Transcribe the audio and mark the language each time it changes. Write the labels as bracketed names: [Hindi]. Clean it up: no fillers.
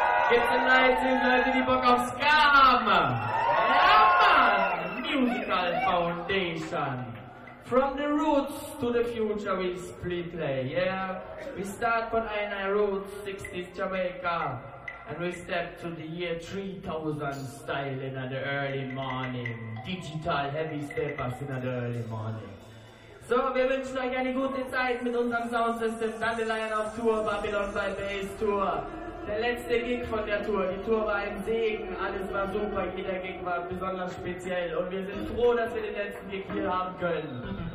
[German] Gibt's in Leipzig Leute, die Bock auf Ska haben? Ja, Mann! Musical Foundation. [English] From the roots to the future we split play, yeah? We start from our roots, 60s Jamaica. And we step to the year 3000 style in the early morning. Digital heavy steppers in the early morning. [German] So, wir wünschen euch eine gute Zeit mit unserem Soundsystem Dandelion auf Tour, Babylon by Bass Tour. Der letzte Gig von der Tour. Die Tour war ein Segen, alles war super, jeder Gig war besonders speziell. Und wir sind froh, dass wir den letzten Gig hier haben können.